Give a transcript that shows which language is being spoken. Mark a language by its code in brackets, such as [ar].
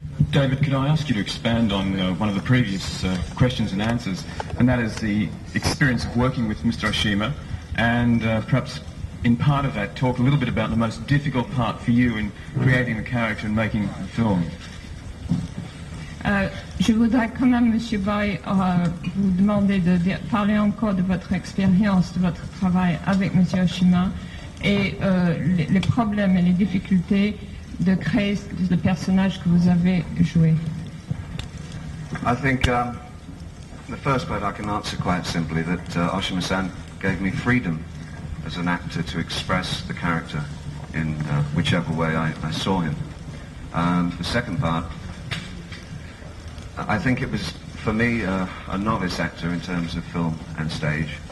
[en] David, could I ask you to expand on one of the previous questions and answers, and that is the experience of working with Mr. Ôshima, and perhaps in part of that talk a little bit about the most difficult part for you in creating the character and making the film. [fr] Je voudrais quand même, Monsieur Bowie, vous demander de parler encore de votre expérience, de votre travail avec Monsieur Ôshima, et les problèmes et les difficultés de créer le personnage que vous avez joué. [en] I think the first part I can answer quite simply that Ôshima-san gave me freedom as an actor to express the character in whichever way I saw him. The second part, I think it was for me a novice actor in terms of film and stage.